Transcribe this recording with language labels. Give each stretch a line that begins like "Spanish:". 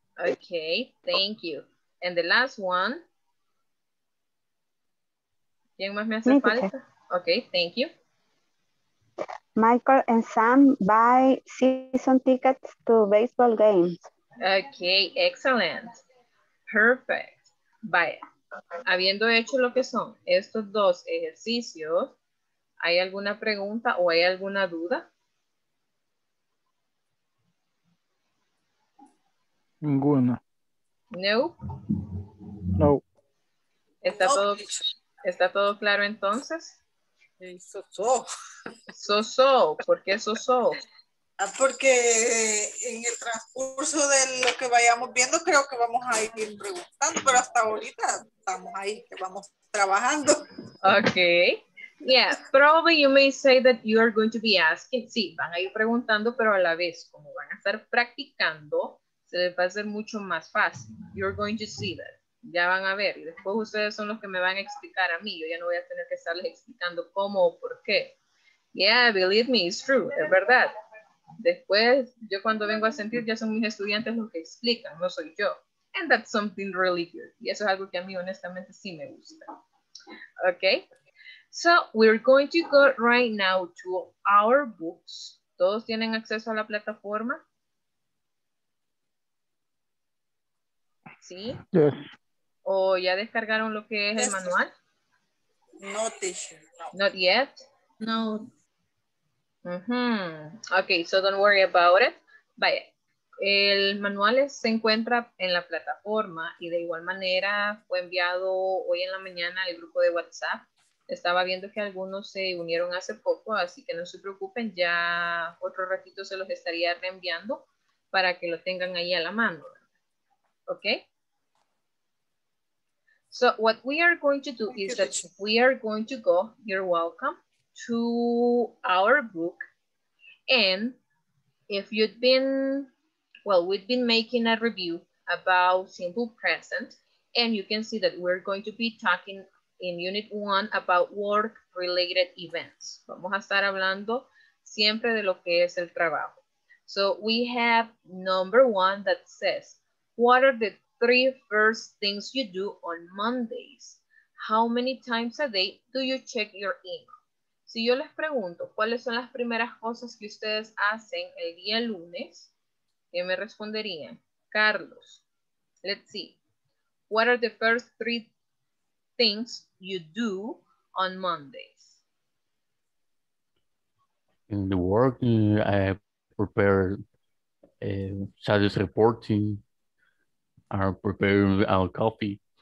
English: Okay, thank you. And the last one.
Spanish: ¿Quién más me hace falta?
English: Okay, thank you. Michael and Sam buy season tickets to baseball games. Okay, excellent. Perfect.
Spanish: Vaya, habiendo hecho lo que son estos dos ejercicios, ¿hay alguna pregunta o hay alguna duda? Ninguna. No. No. ¿Está todo claro entonces?
English: So-so.
Spanish: ¿Por qué so-so? Porque en el transcurso de lo que vayamos viendo, creo que vamos a ir preguntando, pero hasta ahorita estamos ahí, que vamos trabajando.
English: Ok. Yeah, probably you may say that you are going to be asking.
Spanish: Sí, van a ir preguntando, pero a la vez, como van a estar practicando, se les va a hacer mucho más fácil.
English: You're going to see that.
Spanish: Ya van a ver, y después ustedes son los que me van a explicar a mí. Yo ya no voy a tener que estarles explicando cómo o por qué.
English: Yeah, believe me, it's true,
Spanish: es verdad. Después, yo cuando vengo a sentir, ya son mis estudiantes los que explican, no soy yo.
English: And that's something really good.
Spanish: Y eso es algo que a mí honestamente sí me gusta.
English: Okay. So, we're going to go right now to our books.
Spanish: ¿Todos tienen acceso a la plataforma? ¿Sí?
English: Yes.
Spanish: ¿O ya descargaron lo que es el manual? No, teacher.
English: Not yet? No. Mm-hmm. Okay, so don't worry about it.
Spanish: Vaya, el manual se encuentra en la plataforma y de igual manera fue enviado hoy en la mañana al grupo de WhatsApp. Estaba viendo que algunos se unieron hace poco, así que no se preocupen, ya otro ratito se los estaría reenviando para que lo tengan ahí a la mano.
English: ¿Ok? So, what we are going to do is that we are going to go, you're welcome, to our book. And if you've been, well, we've been making a review about simple present, and you can see that we're going to be talking in unit 1 about work related events.
Spanish: Vamos a estar hablando siempre de lo que es el trabajo.
English: So we have number 1 that says, what are the 3 first things you do on Mondays? How many times a day do you check your email?
Spanish: Si yo les pregunto, ¿cuáles son las primeras cosas que ustedes hacen el día lunes? ¿Qué me responderían? Carlos,
English: let's see. What are the first 3 things you do on Mondays? in the work. I prepare status reporting or prepare a copy.